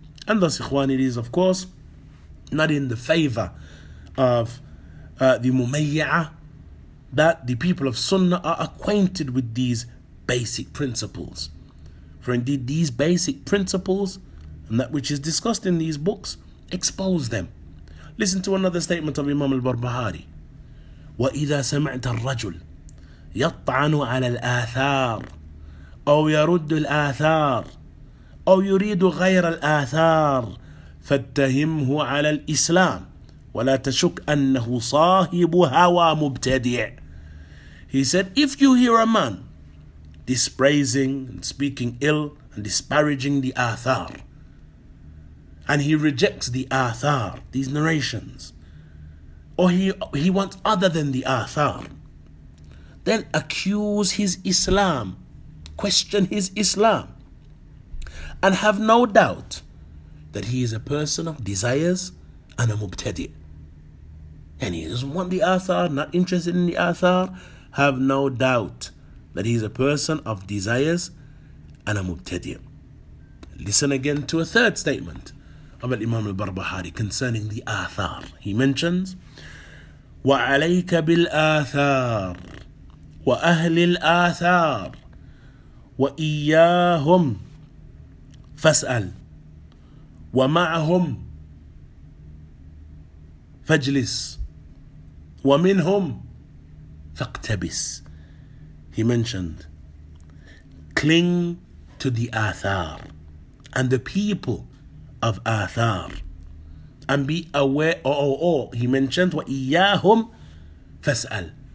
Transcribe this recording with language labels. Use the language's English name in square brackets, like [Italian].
[English] And thus, Ikhwan, it is, of course, not in the favor of the Mumayya'a that the people of Sunnah are acquainted with these basic principles. For indeed, these basic principles, and that which is discussed in these books, expose them. Listen to another statement of Imam al-Barbahari. [Arabic] وَإِذَا سَمِعْتَ الرَّجُلْ يَطْعَنُ عَلَى الْآثَارِ أَوْ يَرُدُّ الْآثَارِ أو يريد غير الآثار فاتهمه على الإسلام ولا تشك أنه صاحب هوى مبتدع. [English] He said, if you hear a man dispraising and speaking ill and disparaging the Athar. And he rejects the Athar, these narrations. Or he wants other than the Athar. Then accuse his Islam, question his Islam, and have no doubt that he is a person of desires and a mubtadi. And he doesn't want the Athar, not interested in the Athar. Have no doubt that he is a person of desires and a mubtadi. Listen again to a third statement of Imam al-Barbahari concerning the Athar. He mentions, [Arabic] وَعَلَيْكَ بِالْآثَارِ وَأَهْلِ الْآثَارِ وَإِيَّاهُمْ فَاسْأَلْ وَمَعَهُمْ فَاجْلِسْ وَمِنْهُمْ فَاقْتَبِسْ. [English] He mentioned, cling to the Athar and the people of Athar, and be aware, he mentioned, [Arabic] وَإِيَّاهُمْ فَاسْأَلْ.